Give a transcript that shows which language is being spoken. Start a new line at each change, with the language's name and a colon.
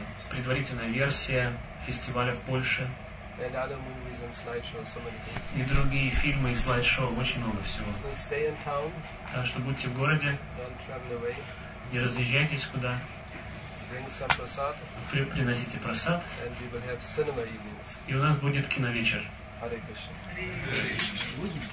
Russian: Предварительная версия фестиваля в Польше.
English: And other movies and slideshows, so many things.
Russian: И другие фильмы и слайд-шоу, очень много всего.
English: So stay in town.
Russian: Так что будьте в городе.
English: Don't travel away.
Russian: Не разъезжайтесь куда.
English: Bring some prasad.
Russian: Приносите просад.
English: And we will have cinema evenings.
Russian: И у нас будет киновечер.
English: Hare Krishna.